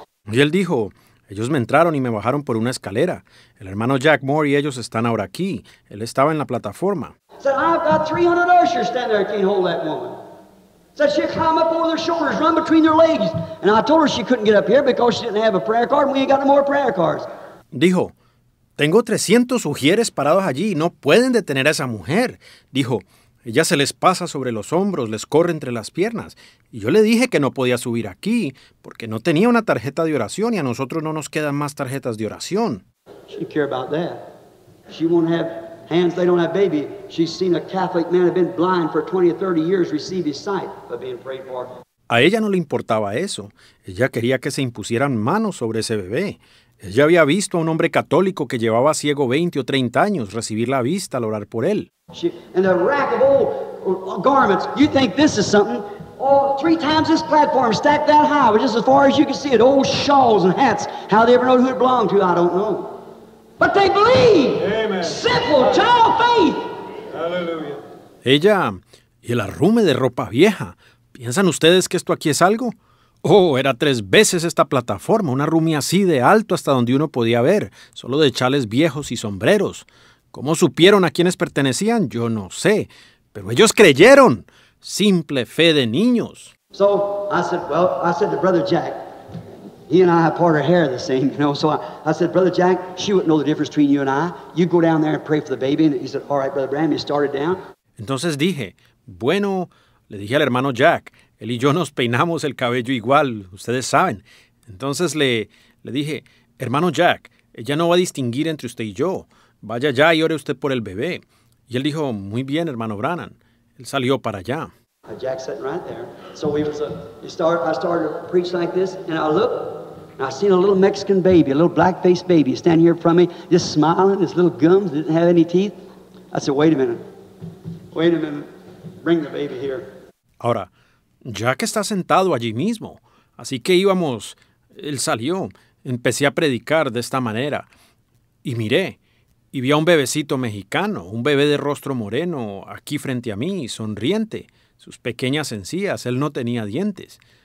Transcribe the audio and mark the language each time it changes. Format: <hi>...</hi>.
<es>Y él dijo, ellos me entraron y me bajaron por una escalera. El hermano Jack Moore y ellos están ahora aquí. Él estaba en la plataforma.</es> <en>Said, I've got 300 ushers standing there, can't hold that woman. Said she'd climb up over their shoulders, run between their legs. And I told her she couldn't get up here because she didn't have a prayer card and we ain't got no more prayer cards.</en> <es>Dijo, tengo 300 ujieres parados allí y no pueden detener a esa mujer. Dijo, ella se les pasa sobre los hombros, les corre entre las piernas. Y yo le dije que no podía subir aquí porque no tenía una tarjeta de oración y a nosotros no nos quedan más tarjetas de oración.</es> <en>She care about that. She won't have hands, they don't have baby. She's seen a Catholic man have been blind for 20 or 30 years receive his sight by being prayed for.</en> <es>A ella no le importaba eso. Ella quería que se impusieran manos sobre ese bebé. Ella había visto a un hombre católico que llevaba ciego 20 o 30 años recibir la vista al orar por él.</es> <en>She, and the rack of old garments, you think this is something? Oh, three times this platform stacked that high, just as far as you can see it, old shawls and hats. How they ever know who it belonged to, I don't know. But they believe. Amen. Simple child faith. Hallelujah.</en> <es>Ella y el arrume de ropa vieja. ¿Piensan ustedes que esto aquí es algo? Oh, era tres veces esta plataforma, un arrume así de alto hasta donde uno podía ver, solo de chales viejos y sombreros. ¿Cómo supieron a quiénes pertenecían? Yo no sé. Pero ellos creyeron. Simple fe de niños.</es> <en>So I said, well, I said to Brother Jack. He and I have parted hair the same, you know. So I said, Brother Jack, she wouldn't know the difference between you and I. You go down there and pray for the baby. And he said, all right, Brother Bram, he started down.</en> <es>Entonces dije, bueno, le dije al hermano Jack, él y yo nos peinamos el cabello igual, ustedes saben. Entonces le dije, hermano Jack, ella no va a distinguir entre usted y yo. Vaya ya y ore usted por el bebé. Y él dijo, muy bien, hermano Brannan. Él salió para allá.</es> <en>Jack's sitting right there. So I started to preach like this, and I look, and I seen a little Mexican baby, a little black-faced baby, standing here in front of me, just smiling, his little gums, didn't have any teeth. I said, wait a minute, bring the baby here.</en> <es>Ahora, Jack está sentado allí mismo. Así que íbamos, él salió, empecé a predicar de esta manera, y miré. Y vi a un bebecito mexicano, un bebé de rostro moreno, aquí frente a mí, sonriente. Sus pequeñas encías, él no tenía dientes.</es>